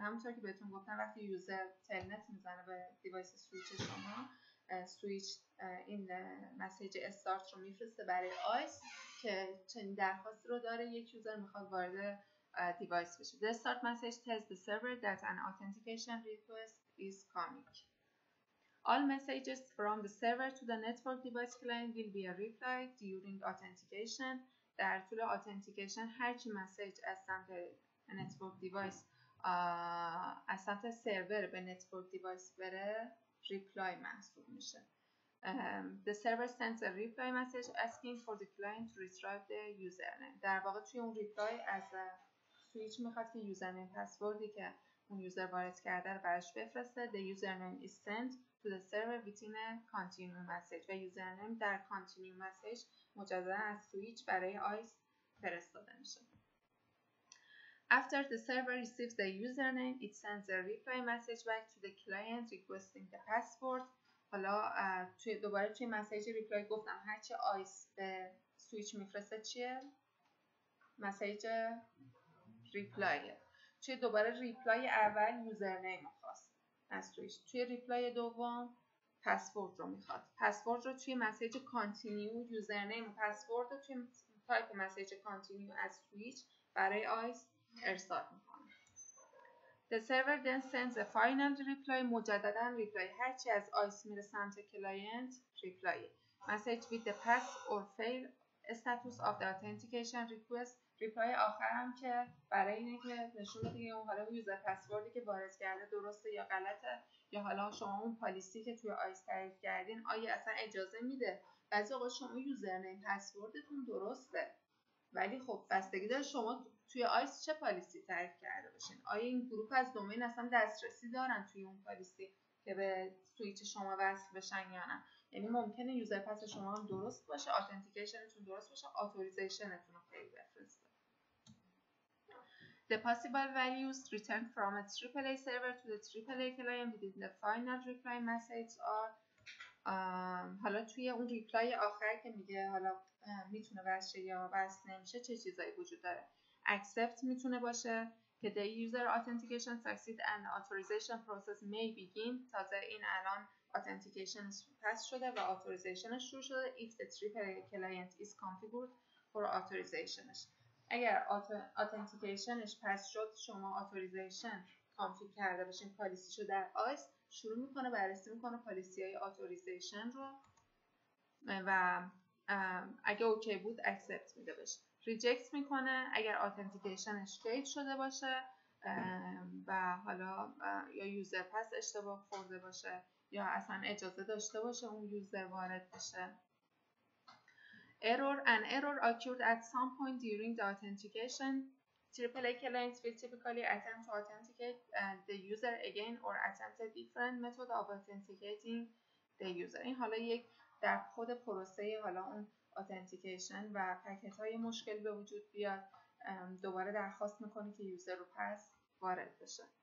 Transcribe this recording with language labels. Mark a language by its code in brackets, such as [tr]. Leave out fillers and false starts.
[fa] همونطور که بهتون گفتم وقتی یوزر تلنت میزنه به دیوایس سویچ شما، سویچ این مسیج استارت رو میفرسته برای آیس که چنین درخواستی رو داره یک یوزر میخواد وارد دیوایس بشه. [en] The start message tells the server that an authentication request is coming. All messages from the server to the network device client will be replied during authentication. [fa] در طول authentication هرچی مسیج از سمت network device از سمت سرور به network device بره reply محسوب میشه. [en] The server sends a reply message asking for the client to retrieve the username. [fa] در واقع توی اون reply از سویچ میخواد که username پسوردی که اون یوزر وارد کرده رو براش بفرسته. [en] The username is sent to the server within a continue message. [fa] و username در continue message مجددا از سویچ برای آیس فرستاده میشه. [en] After the server receives the username, it sends a reply message back to the client requesting the password. [fa] حالا توی دوباره توی مسیج ریپلای گفتم هرچه آیس به سویچ میفرسته چیه؟ مسیج ریپلایه. توی دوباره ریپلای اول یوزرنیم رو خواست از سویچ. توی ریپلای دوم پسورد رو میخواد. پسورد رو توی مسیج کانتینیو یوزرنیم و پسورد رو توی تایپ مسیج کانتینیو از سویچ برای آیس ارسال میخواد. [en] The server then sends a final reply. [fa] مجدداً reply. هرچی از آیس میره سمت کلاینت reply. [en] Message with the pass or fail status of the authentication request. [fa] Reply آخرم که برای اینه که نشون بده اون حالا یوزر پسوردی که وارد کرده درسته یا غلطه، یا حالا شما اون پالیسی که توی آیس تعریف کردین آیا اصلا اجازه میده. بعضی وقتا شما یوزرنیم پسوردتون درسته، ولی خب بستگی داره شما توی آیس چه پالیسی تعریف کرده باشین. آیا این گروه از دومین اصلا دسترسی دارن توی اون پالیسی که به سویچ شما وصل بشن یا نه؟ یعنی ممکنه یوزر پس شما هم درست باشه، آتنتیکیشنتون درست باشه، آتوریزیشنتون رو خیلی بفرسته. [en] The possible values returned from a AAA server to the AAA client within the final reply message are [fa] حالا توی اون ریپلای آخر که میگه حالا میتونه باشه یا بس نمیشه چه چیزایی وجود داره. [en] Accept [fa] میتونه باشه که [en] the user authentication succeed and authorization process may begin. [fa] تازه این الان authentication پس شده و authorization شروع شده. [en] If the triple client is configured for authorizationش. [fa] اگر authenticationش پس شد شما authorization کانفیگ کرده باشین پالیسیشو در آیس شروع میکنه بررسی میکنه پالیسی های authorization رو و اگه اوکی بود accept میده بشه. ریجکت میکنه اگر authentication فیل شده باشه و حالا یا یوزر پس اشتباه خورده باشه یا اصلا اجازه داشته باشه اون یوزر وارد بشه. [en] Error. An error occurred at some point during the authentication. AAA clients will typically attempt to authenticate the user again or attempt a different method of authenticating the user. [fa] این حالا یک در خود پروسه حالا اون authentication و پکت های مشکل به وجود بیاد دوباره درخواست میکنه که یوزر رو پس وارد بشه.